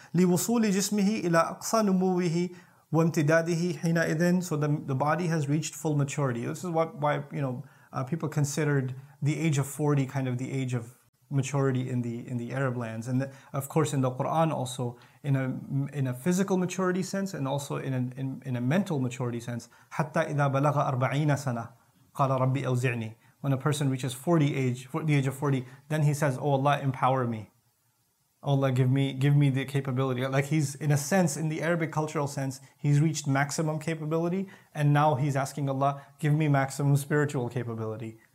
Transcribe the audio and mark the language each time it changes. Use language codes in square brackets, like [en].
[ar] لِوُصُولِ جِسْمِهِ إِلَىٰ أَقْصَى نُمُوِهِ. [en] So the body has reached full maturity. This is why people considered the age of 40 kind of the age of maturity in the Arab lands, and of course in the Quran also, in a physical maturity sense, and also in a mental maturity sense. [ar] حتى إذا بلغ 40 سنة قال ربي أوزعني. [en] When a person reaches 40 age, the age of 40, then he says, "Oh Allah, empower me. Allah, give me the capability." Like, he's, in a sense, in the Arabic cultural sense, he's reached maximum capability, and now he's asking Allah, give me maximum spiritual capability.